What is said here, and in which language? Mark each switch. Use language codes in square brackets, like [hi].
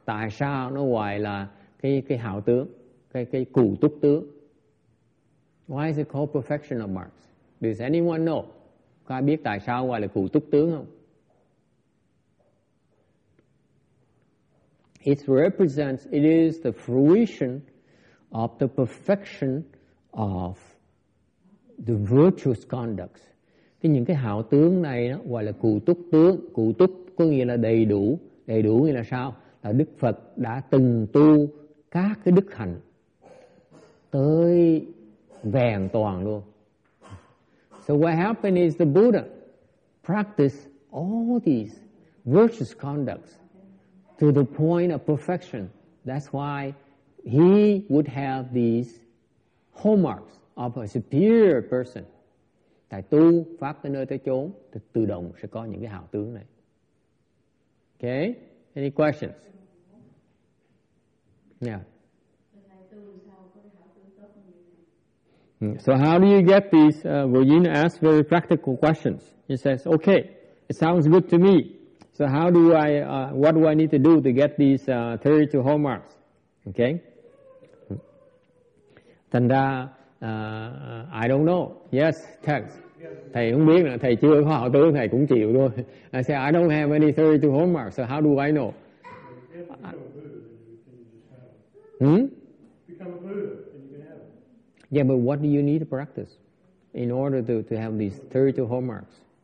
[vi] Tại sao nó gọi là cái hảo tướng, cái cụ túc tướng? [en] Why is it called perfection of marks? Does anyone know? [vi] Có ai biết tại sao gọi là cụ túc tướng không? [en] It represents, it is the fruition of the perfection of the virtuous conducts. [vi] Cái những cái hảo tướng này đó, gọi là cụ túc tướng. Cụ túc có nghĩa là đầy đủ. Đầy đủ nghĩa là sao? Là Đức Phật đã từng tu các cái đức hạnh tới vẹn toàn luôn. [en] So what happened is the Buddha practiced all these virtuous conducts to the point of perfection. That's why he would have these hallmarks of a superior person. [vi] Tại tu pháp tới nơi tới chốn thì tự động sẽ có những cái hào tướng này. [en] Okay? Any questions? Yeah. So how do you get these? Vajina asks very practical questions. He says, okay, it sounds good to me. So how do I, what do I need to do to get these 32 hallmarks? Okay? [vi] Thành ra, [en] I don't know. Yes, text. [vi] Thầy không biết, thầy chưa có hảo tướng, thầy cũng chịu thôi. [en] I say, I don't have any 32 hallmarks, so how do I know? Become a Buddha, and you can have it. Yeah, but what do you need to practice in order to have these 32 hallmarks?